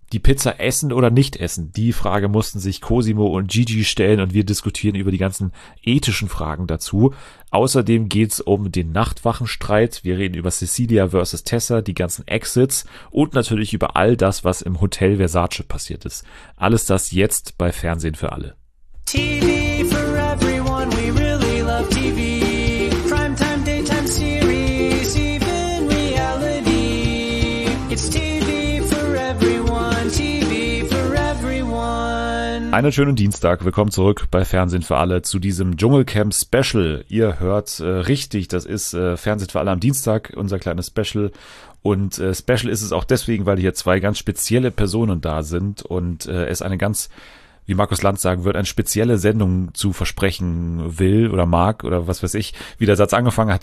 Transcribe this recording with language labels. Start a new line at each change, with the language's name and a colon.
German: die Pizza essen oder nicht essen? Die Frage mussten sich Cosimo und Gigi stellen und wir diskutieren über die ganzen ethischen Fragen dazu. Außerdem geht's um den Nachtwachenstreit. Wir reden über Cecilia versus Tessa, die ganzen Exits und natürlich über all das, was im Hotel Versace passiert ist. Alles das jetzt bei Fernsehen für alle.
English: TV for everyone, we really love TV. Primetime, daytime series, even reality. It's TV for everyone, TV for everyone.
German: Einen schönen Dienstag, willkommen zurück bei Fernsehen für alle zu diesem Dschungelcamp Special. Ihr hört richtig, das ist Fernsehen für alle am Dienstag, unser kleines Special. Und Special ist es auch deswegen, weil hier zwei ganz spezielle Personen da sind und es eine ganz, wie Markus Lanz sagen wird, eine spezielle Sendung zu versprechen will oder mag oder was weiß ich, wie der Satz angefangen hat.